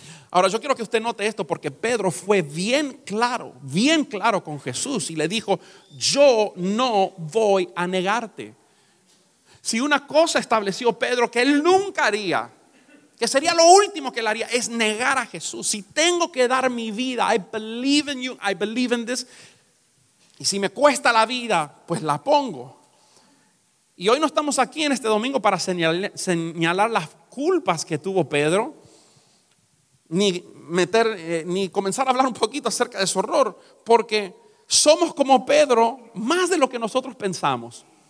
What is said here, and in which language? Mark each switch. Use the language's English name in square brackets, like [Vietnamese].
[Spanish] Ahora, yo quiero que usted note esto porque Pedro fue bien claro con Jesús y le dijo, yo no voy a negarte. Si una cosa estableció Pedro que él nunca haría, que sería lo último que él haría, es negar a Jesús. Si tengo que dar mi vida, [English] I believe in you, I believe in this. [Spanish] Y si me cuesta la vida, pues la pongo. Y hoy no estamos aquí en este domingo para señalar las culpas que tuvo Pedro, ni comenzar a hablar un poquito acerca de su error, porque somos como Pedro más de lo que nosotros pensamos.